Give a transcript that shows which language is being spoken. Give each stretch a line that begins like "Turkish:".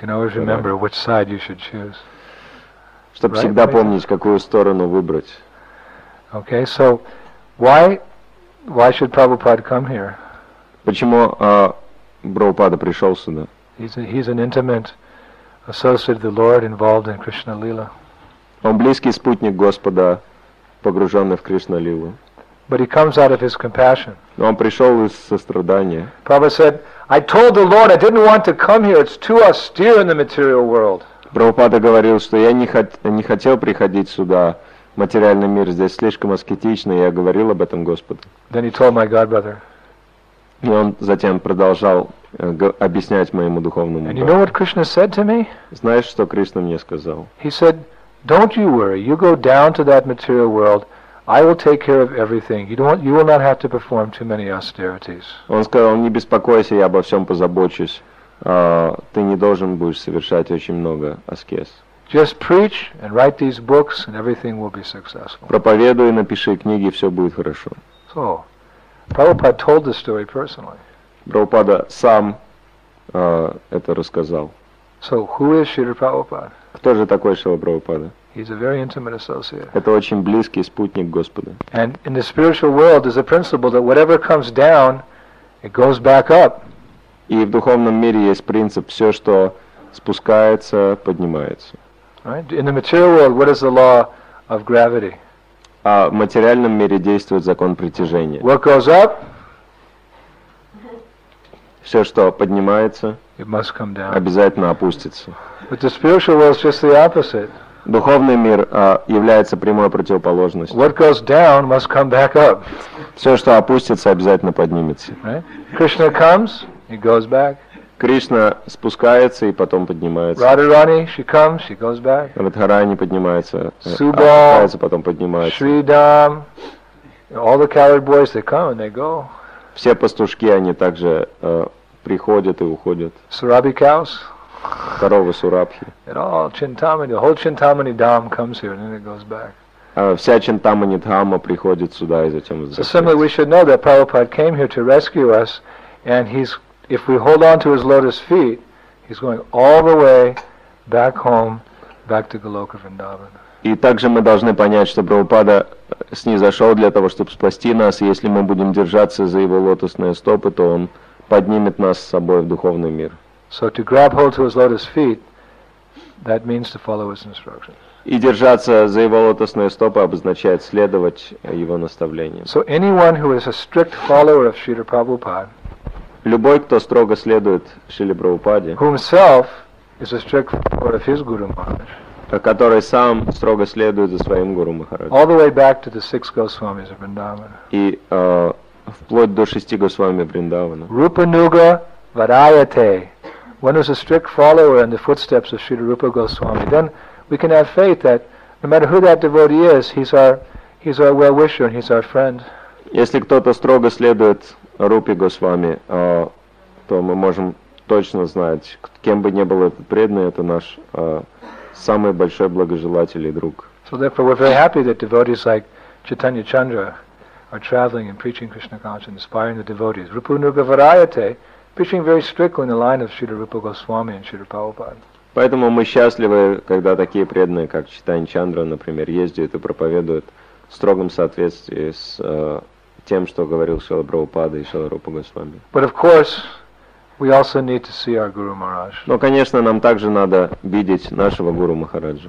English: You can always remember which side you should choose.
Russian: Чтобы всегда помнить, какую сторону выбрать.
English: Okay, so why should Prabhupada come here?
Russian: Почему Прабхупада пришел сюда?
English: He's an intimate associate of the Lord, involved in Krishna Lila.
Russian: Он близкий спутник Господа, погруженный в Кришна Лилу.
English: But he comes out of his compassion.
Russian: Но он пришел из сострадания.
English: Prabhupada said, "I told the Lord I didn't want to come here. It's too austere in the material world."
Russian: Прабхупада говорил, что я не хотел приходить сюда. Материальный мир здесь слишком аскетичный, я говорил об этом Господу.
English: Then he told my godbrother.
Russian: И он затем продолжал объяснять моему духовному брату.
English: And you know what Krishna said to me?
Russian: Знаешь, что Кришна мне сказал?
English: He said, "Don't you worry. You go down to that material world. I will take care of everything. You will not have to perform too many austerities."
Russian: Он сказал: "Не беспокойся, я обо всем позабочусь. Ты не должен будешь совершать очень много аскез."
English: Just preach and write these books, and everything will be successful.
Russian: Проповедуй, напиши книги, все будет хорошо.
English: So, Prabhupada told the story personally.
Russian: Прабхупада сам это рассказал.
English: So, who is Śrīla Prabhupāda?
Russian: Кто же такой Śrīla Prabhupāda?
English: He's a very intimate associate.
Russian: Это очень близкий спутник Господа.
English: And in the spiritual world, there's a principle that whatever comes down, it goes back up.
Russian: И в духовном мире есть принцип: все, что спускается, поднимается.
English: Right? In the material world, what is the law of gravity?
Russian: А в материальном мире действует закон притяжения.
English: What goes up?
Russian: Все, что поднимается,
English: it must come down.
Russian: Обязательно опустится.
English: But the spiritual world is just the opposite.
Russian: Духовный мир является прямой противоположностью.
English: What goes down must come back up.
Russian: Все, что опустится, обязательно поднимется.
English: Right? Krishna comes, it goes back.
Russian: Кришна спускается и потом поднимается.
English: Радхарани, she comes, she goes back.
Russian: Радхарани поднимается, опускается, потом поднимается.
English: Шридам, all the cowherd boys, they come and they go.
Russian: Все пастушки, они также приходят и уходят.
English: Сурабхи cows.
Russian: Коровы Сурабхи.
English: It all Чинтамани, the whole Чинтамани Дам comes here and then it goes back.
Russian: Вся Чинтамани Дхама приходит сюда и затем возвращается.
English: So similarly, we should know that Prabhupada came here to rescue us, and he's if we hold on to his lotus feet, he's going all the way back home, back to Goloka Vrindavan.
Russian: И также мы должны понять, что Прабхупада снизошел для того, чтобы спасти нас, и если мы будем держаться за его лотосные стопы, то он поднимет нас с собой в духовный мир.
English: So to grab hold to his lotus feet, that means to follow his instructions.
Russian: И держаться за его лотосные стопы обозначает следовать его наставлениям.
English: So anyone who is a strict follower of Śrīla Prabhupāda,
Russian: любой, кто строго следует Шриле Прабхупаде,
English: himself is a strict follower of his Guru Maharaj,
Russian: который сам строго следует за своим Гуру Махараджем,
English: all the way back to the six Госвамис of Vrindavan.
Russian: И вплоть до шести Госвами Вриндавана.
Sanskrit: Rupanuga Varayate.
English: One who's a strict follower in the footsteps of Śrīla Rupa Goswami, then we can have faith that no matter who that devotee is, he's our well-wisher and he's our friend.
Russian: Если кто-то строго следует Рупи Госвами, то мы можем точно знать, кем бы ни был этот преданный, это наш самый большой благожелатель и друг.
English: So therefore we're very happy that devotees like Chaitanya Chandra are traveling and preaching Krishna consciousness, inspiring the devotees.
Sanskrit: Rupanuga Varayate,
English: preaching very strictly in the line of Śrīla Rupa Goswami and Śrīla Prabhupāda.
Russian: Поэтому мы счастливы, когда такие преданные, как Чайтанья Чандра, например, ездят и проповедуют в строгом соответствии с тем, что говорил Шрила Прабхупада и Шрила Рупа Госвами.
English: But of course, we also need to see our Guru Maharaj. Но, конечно, нам также надо видеть нашего Гуру Махараджа.